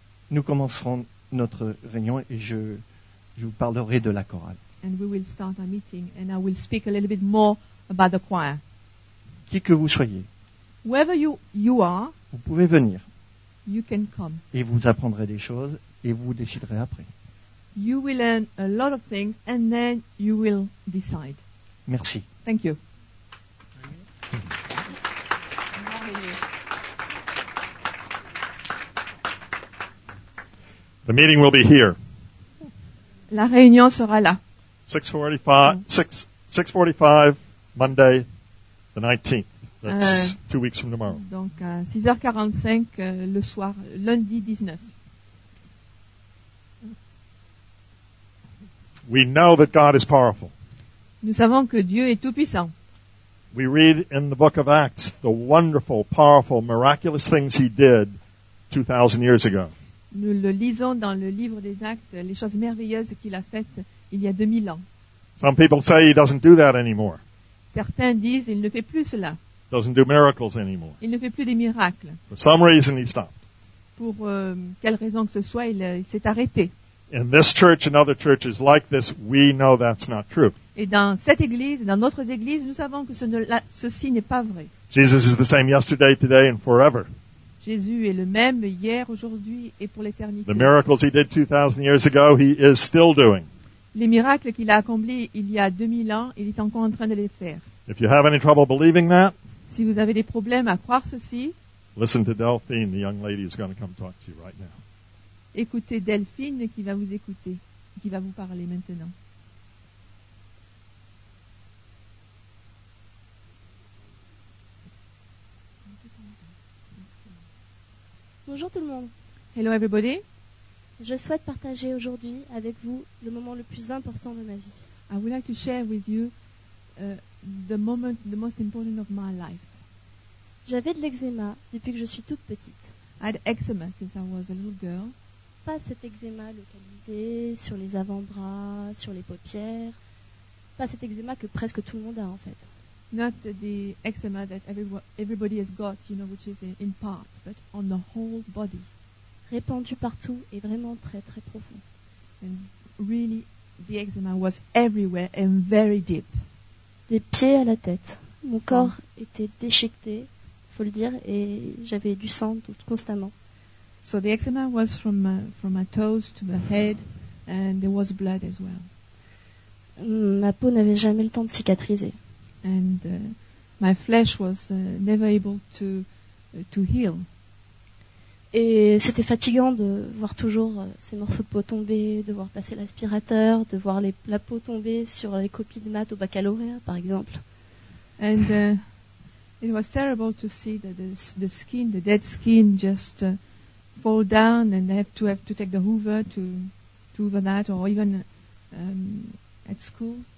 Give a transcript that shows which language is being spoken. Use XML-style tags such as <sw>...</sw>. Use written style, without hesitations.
<fr>nous commencerons notre réunion et je vous parlerai de la chorale.</fr> <en>and we will start our meeting, and I will speak a little bit more about the choir.</en> <fr>Qui que vous soyez,</fr> <en>wherever you are,</en> <fr>vous pouvez venir.</fr> <en>You can come.</en> <fr>Et vous apprendrez des choses, et vous déciderez après.</fr> <en>You will learn a lot of things, and then you will decide.</en> <fr>Merci.</fr> <en>Thank you. The meeting will be here.</en> <fr>La réunion sera là.</fr> <en>6:45 Monday the 19th. That's 2 weeks from tomorrow.</en> <fr>Donc à 6h45 le soir lundi 19.</fr> <en>We know that God is powerful.</en> <fr>Nous savons que Dieu est tout puissant.</fr> <en>We read in the book of Acts the wonderful, powerful, miraculous things he did 2000 years ago.</en> <fr>Nous le lisons dans le livre des Actes, les choses merveilleuses qu'il a faites il y a 2000 ans.</fr> <en>Some people say he doesn't do that anymore.</en> <fr>Certains disent qu'il ne fait plus cela.</fr> <en>Doesn't do miracles anymore.</en> <fr>Il ne fait plus des miracles.</fr> <en>For some reason he stopped.</en> <fr>Pour quelle raison que ce soit, il s'est arrêté.</fr> <en>In this church and other churches like this, we know that's not true.</en> <fr>Et dans cette église, dans notre église, nous savons que ceci n'est pas vrai.</fr> <en>Jesus is the same yesterday, today, and forever.</en> <fr>Jésus est le même hier, aujourd'hui et pour l'éternité.</fr> <en>The miracles he did 2000 years ago, he is still doing.</en> <fr>Les miracles qu'il a accomplis il y a 2000 ans, il est encore en train de les faire.</fr> <en>If you have any trouble believing that,</en> <fr>si vous avez des problèmes à croire ceci,</fr> <en>listen to Delphine, the young lady is going to come talk to you right now.</en> <fr>Écoutez Delphine qui va vous écouter, qui va vous parler maintenant. Bonjour tout le monde.</fr> <en>Hello everybody.</en> <fr>Je souhaite partager aujourd'hui avec vous le moment le plus important de ma vie.</fr> <en>I would like to share with you the moment the most important of my life.</en> <fr>J'avais de l'eczéma depuis que je suis toute petite.</fr> <en>I had eczema since I was a little girl.</en> <fr>Pas cet eczéma localisé sur les avant-bras, sur les paupières. Pas cet eczéma que presque tout le monde a en fait.</fr> <en>Not the eczema that everybody has got, you know, which is in part, but on the whole body.</en> <fr>Répandu partout et vraiment très très profond.</fr> <en>And really, the eczema was everywhere and very deep.</en> <fr>Des pieds à la tête. Mon corps était déchiqueté, faut le dire, et j'avais du sang tout constamment.</fr> <en>So the eczema was from my toes to my head, and there was blood as well.</en> <fr>Ma peau n'avait jamais le temps de cicatriser.</fr> <en>And my flesh was never able to heal.</en> <fr>Et c'était fatigant de voir toujours ces morceaux de peau tomber, de voir passer l'aspirateur, de voir la peau tomber sur les copies de maths au baccalauréat, par exemple.</fr> <en>And it was terrible to see the skin, the dead skin, just fall down, and have to take the Hoover to Hoover that, or even at school.</en>